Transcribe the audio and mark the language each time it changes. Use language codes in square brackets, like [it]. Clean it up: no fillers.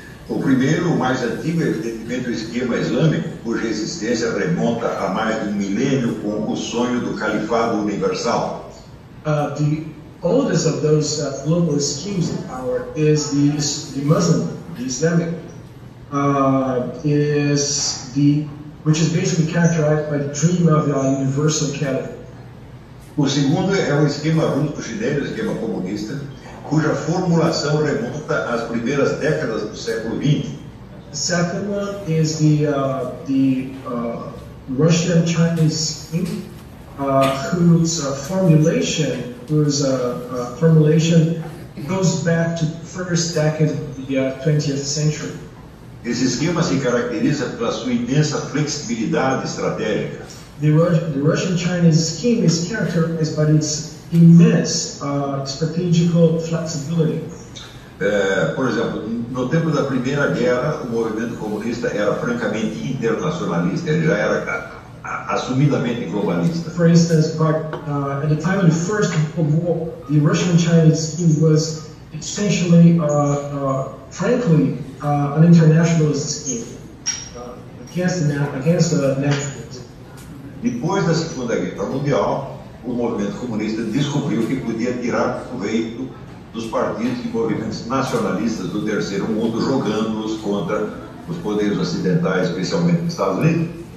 [pt] O primeiro, o mais antigo, é evidentemente o esquema islâmico, cuja existência remonta a mais de um milênio com o sonho do califado universal. [en] The oldest of those globalist schemes of power is the Muslim, the Islamic. Which is basically characterized by the dream of the universal caliph. [pt] O segundo é o esquema russo-chinês, o esquema comunista, cuja formulação remonta às primeiras décadas do século XX. [en] The second one is the Russian-Chinese scheme, whose formulation goes back to the first decade of the 20th century. [pt] Esse esquema se caracteriza pela sua imensa flexibilidade estratégica. [en] The Russian-Chinese scheme is characterized by its immense strategical flexibility. [pt] Por exemplo, no tempo da Primeira Guerra, o movimento comunista era francamente internacionalista, ele já era assumidamente globalista. [en] For instance, at the time of the First World War, the Russian-Chinese scheme was essentially, frankly, an internationalist scheme against the nationalists. [pt] Depois da Segunda Guerra Mundial, o movimento comunista descobriu que podia tirar proveito dos partidos e movimentos nacionalistas do Terceiro Mundo, jogando-os contra os poderes ocidentais, especialmente os Estados Unidos.